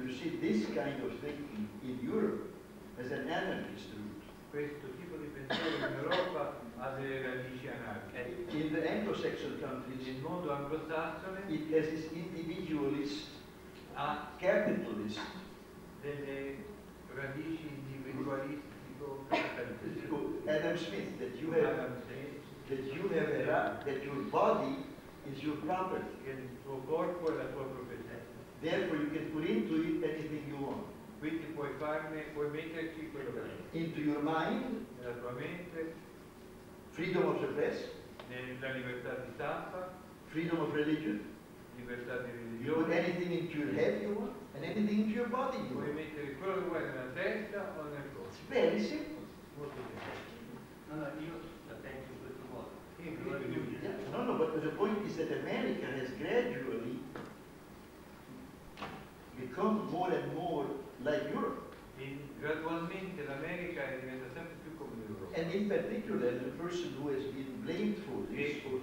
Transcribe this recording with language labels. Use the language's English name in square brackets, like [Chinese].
[English] you see this kind of thinking in Europe as an anarchist root. [Italian] Questo tipo di pensiero in Europa ha delle radici anarchiche. [English] In the Anglo-Saxon countries, [Italian] il mondo anglosassone, [English] it has its individualist, capitalist, [Italian] delle radici individualistico capitalistiche. [English] Adam Smith, that you have, that your body is your property. [Italian] Che il tuo corpo è la tua proprietà. [English] Therefore, you can put into it anything you want. [Italian] Quindi puoi farne, puoi metterci quello che vuoi. [English] Into your mind, [Italian] nella tua mente, [English] freedom of the press, [Italian] nella libertà di stampa, [English] freedom of religion, [Italian] libertà di religione. [English] You put anything into your head you want, and anything into your body you want. [Italian] Puoi mettere quello che vuoi nella testa o nel corpo. [English] It's very simple. [Italian] Molto bene. No, io la penso in questo modo. [English] No, no, but the point is that America has gradually become more and more like Europe. [Italian] Gradualmente l'America è diventata sempre più come l'Europa. [English] And in particular, the person who has been blamed for this.